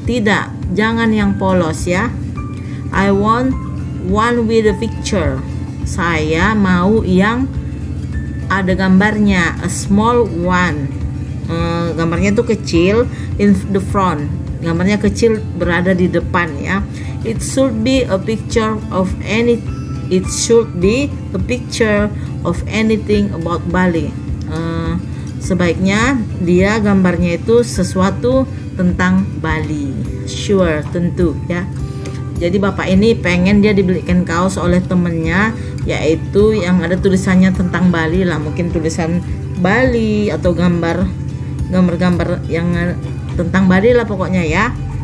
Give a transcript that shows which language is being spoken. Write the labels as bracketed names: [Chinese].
[Indonesian] Tidak, jangan yang polos ya. [English] I want one with a picture. [Indonesian] Saya mau yang ada gambarnya. [English] A small one. [Indonesian] Gambarnya itu kecil, [English] in the front. [Indonesian] Gambarnya kecil berada di depan ya. [English] It should be a picture of anything about Bali. [Indonesian] Sebaiknya dia gambarnya itu sesuatu tentang Bali. Sure, tentu ya. Jadi bapak ini pengen dia dibelikan kaos oleh temennya, yaitu yang ada tulisannya tentang Bali lah, mungkin tulisan Bali atau gambar-gambar yang tentang Bali lah pokoknya ya.